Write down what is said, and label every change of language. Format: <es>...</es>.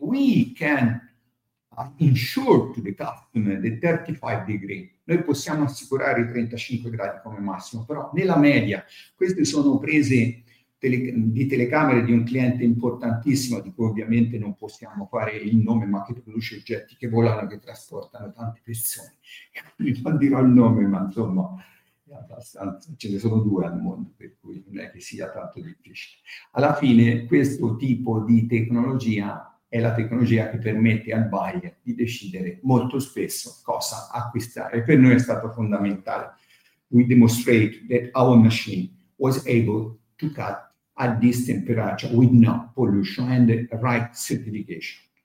<en>We can ensure to the customer the 35 degree.</en> <it>Noi possiamo assicurare i 35 gradi come massimo, però nella media, queste sono prese di telecamere di un cliente importantissimo, di cui ovviamente non possiamo fare il nome, ma che produce oggetti che volano, che trasportano tante persone. Non dirò il nome, ma insomma, è abbastanza. Ce ne sono due al mondo, per cui non è che sia tanto difficile. Alla fine, questo tipo di tecnologia è la tecnologia che permette al buyer di decidere molto spesso cosa acquistare. Per noi è stato fondamentale.</it> <en>We demonstrate that our machine was able to cut at this temperature with no pollution and the right certification.</en>